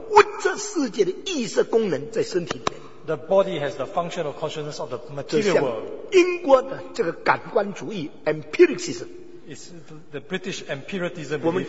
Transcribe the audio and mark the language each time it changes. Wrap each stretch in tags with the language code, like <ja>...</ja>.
<zh>物质世界的意识功能在身体里面。</zh> <en>The body has the function of consciousness of the material world.</en> <zh>英国的这个感官主义, empiricism.</zh> <en>It's the British empiricism.</en>